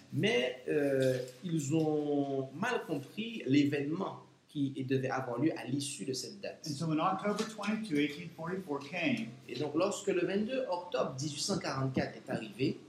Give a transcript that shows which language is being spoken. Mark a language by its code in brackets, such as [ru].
[fr] Mais ils ont mal compris l'événement qui devait avoir lieu à l'issue de cette date. [en] And so when October 22, 1844 came, [fr] et donc lorsque le 22 octobre 1844 est arrivé,